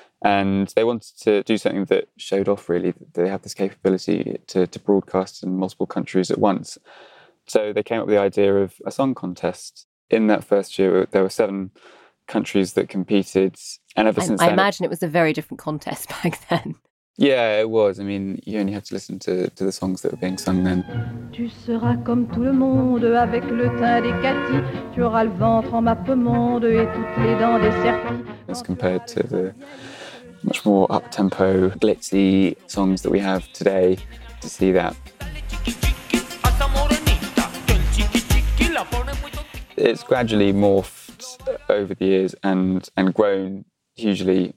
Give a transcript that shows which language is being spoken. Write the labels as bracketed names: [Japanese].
[English] And they wanted to do something that showed off, really, that they have this capability to broadcast in multiple countries at once. So they came up with the idea of a song contest. In that first year, there were 7 countries that competed. And ever since then, I imagine it was a very different contest back then. Yeah, it was. I mean, you only had to listen to the songs that were being sung then. [French] Tu seras comme tout le monde avec le teint des Cathy. Tu auras le ventre en mappe monde et toutes les dents des serpents. [English] As compared to the much more up-tempo, glitzy songs that we have today, to see that. It's gradually morphed over the years and grown hugely.